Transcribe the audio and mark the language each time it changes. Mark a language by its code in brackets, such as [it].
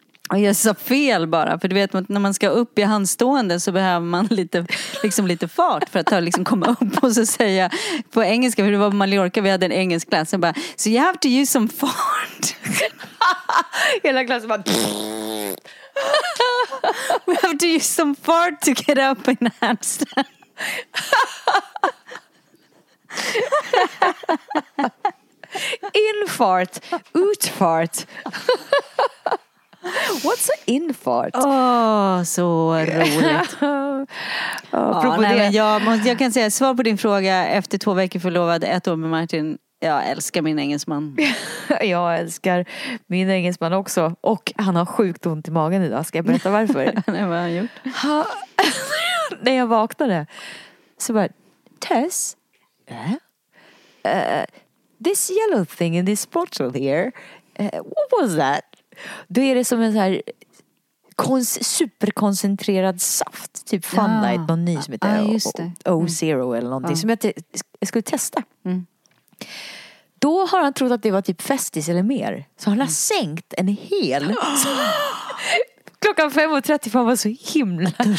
[sv] Och jag sa fel bara, för du vet, när man ska upp i handstående så behöver man lite, liksom lite fart för att ta, liksom komma upp, och så säga på engelska, för det var Mallorca, vi hade en engelsk klass, och bara, [en] so you have to use some fart. [sv] Hela klassen bara, [en] we have to use some fart to get up in a handstand. [sv] In fart, ut fart. [en] What's an infart? [sv] Så roligt. jag kan säga, svar på din fråga, efter 2 veckor förlovad, 1 år med Martin, jag älskar min engelsman. Jag älskar min engelsman också. Och han har sjukt ont i magen idag. Ska jag berätta varför? Nej, vad har han gjort? När jag vaknade så bara, Tess? [en] This yellow thing in this bottle here, what was that? [sv] Då är det som en så här superkoncentrerad saft. Typ Fanta, någon ny som heter O-Zero eller någonting. Som jag skulle testa. Då har han trott att det var typ Festis eller mer. Så han har sänkt en hel. Klockan 5:30, för han var så himla